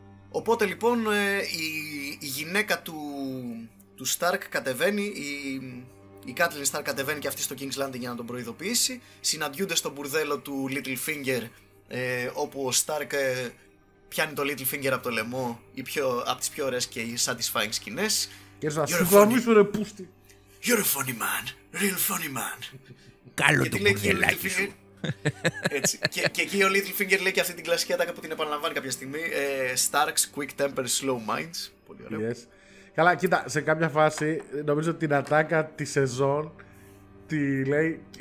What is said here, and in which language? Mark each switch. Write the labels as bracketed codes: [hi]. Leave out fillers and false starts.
[el] Οπότε λοιπόν η γυναίκα του Stark κατεβαίνει, η Κάτλιν Stark κατεβαίνει και αυτή στο King's Landing για να τον προειδοποιήσει. Συναντιούνται στο μπουρδέλο του Littlefinger όπου ο Stark πιάνει το Littlefinger από το λαιμό από τις πιο ωραίες και satisfying σκηνές. Και σας συγχωρήσω ρε πούστη. [en] You're a funny man, real funny man. [el] Καλό το μπουρδελάκι σου. Έτσι. Και εκεί ο Littlefinger λέει και αυτή την κλασική ατάκα που την επαναλαμβάνει κάποια στιγμή. [en] Starks, quick temper, slow minds. [el] Πολύ ωραίο. [en] Yes. [el] Καλά, κοίτα, σε κάποια φάση νομίζω την ατάκα τη σεζόν τη λέει.